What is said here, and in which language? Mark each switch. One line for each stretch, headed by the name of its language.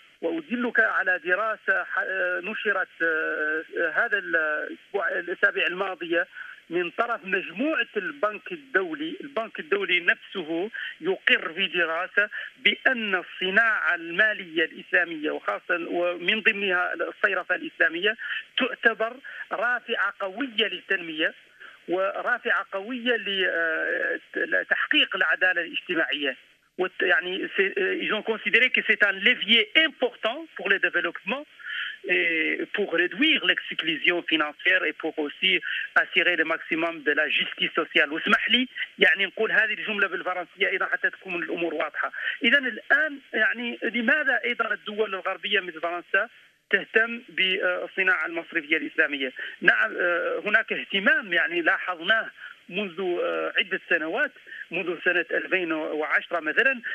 Arabic: وأدلك على دراسة نشرت هذا الأسابيع الماضية من طرف مجموعة البنك الدولي، البنك الدولي نفسه يقر في دراسة بأن الصناعة المالية الإسلامية وخاصة ومن ضمنها الصرافة الإسلامية تعتبر رافعة قوية للتنمية ورافعة قوية لتحقيق العدالة الاجتماعية.
French: يعني ils ont considéré que c'est un levier important pour le développement et pour réduire l'exclusion financière et pour aussi assurer le maximum de la justice sociale.
Arabic: واسمح لي يعني نقول هذه الجملة بالفرنسية أيضا حتى تكون الأمور واضحة. إذا الآن يعني لماذا أيضا الدول الغربية مثل فرنسا تهتم بالصناعة المصرفية الإسلامية؟ نعم هناك اهتمام يعني لاحظناه منذ عدة سنوات، منذ سنة 2010 مثلا.